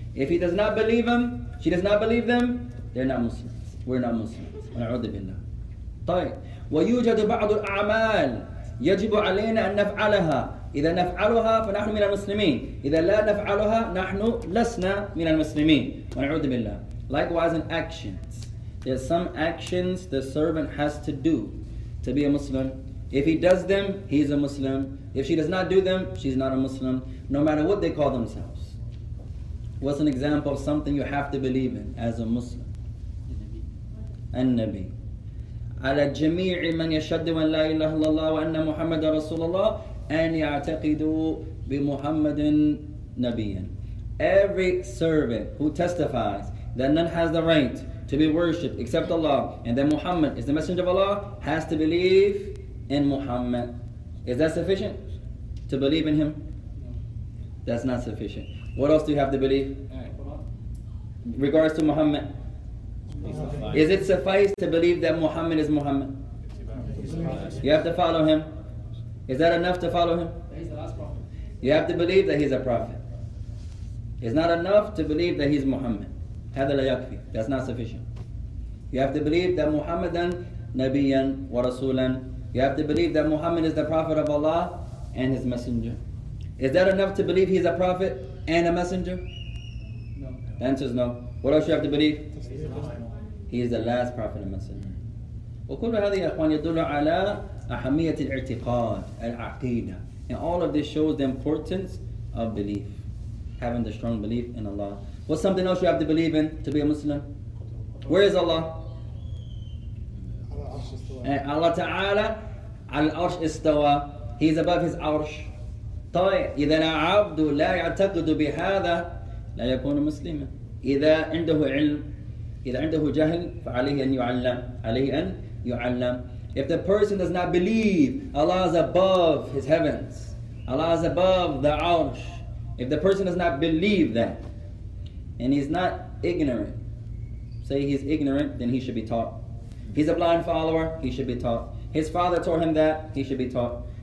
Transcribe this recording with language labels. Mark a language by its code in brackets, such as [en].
[en] If he does not believe them, she does not believe them, they're not Muslims. We're not Muslims. [ar] ونعوذ بالله. طيب ويوجد بعض الأعمال يجب علينا أن نفعلها إذا نفعلها فنحن من المسلمين إذا لا نفعلها نحن لسنا من المسلمين ونعوذ بالله. [en] Likewise in actions, there are some actions the servant has to do to be a Muslim. If he does them, he's a Muslim. If she does not do them, she's not a Muslim, no matter what they call themselves. What's an example of something you have to believe in as a Muslim? النبي. [ar] على جميع من يشهد أن لا إله إلا الله وأن محمد رسول الله أن يعتقدوا بمحمد نبيا. [en] Every servant who testifies that none has the right to be worshipped except Allah and that Muhammad is the messenger of Allah has to believe in Muhammad. Is that sufficient to believe in him? No. That's not sufficient. What else do you have to believe? In regards to Muhammad. Is it suffice to believe that Muhammad is Muhammad? You have to follow him. Is that enough to follow him? He's the last prophet. You have to believe that he's a prophet. It's not enough to believe that he's Muhammad. [ar] هذا لا يكفي. [en] That's not sufficient. You have to believe that [ar] Muhammadan Nabiyan wa Rasulan. [en] You have to believe that Muhammad is the prophet of Allah and his messenger. Is that enough to believe he's a prophet and a messenger? No. The answer is no. What else you have to believe? He is the last prophet and messenger. [ar] وكل هذه أخوان يدل على أهمية الاعتقاد العقيدة. [en] And all of this shows the importance of belief, having the strong belief in Allah. What's something else you have to believe in to be a Muslim? Where is Allah? [ar] Allah Ta'ala al-Arsh istawa. [en] He's above his arsh. [ar] طيب إذا العبد لا يعتقد بهذا لا يكون مسلما. إذا عنده علم إذا عنده جهل فعليه أن يعلم عليه أن يعلم. [en] If the person does not believe Allah is above his heavens, Allah is above the arsh, if the person does not believe that and he's not ignorant, say he's ignorant, then he should be taught. He's a blind follower, he should be taught. His father taught him that, he should be taught.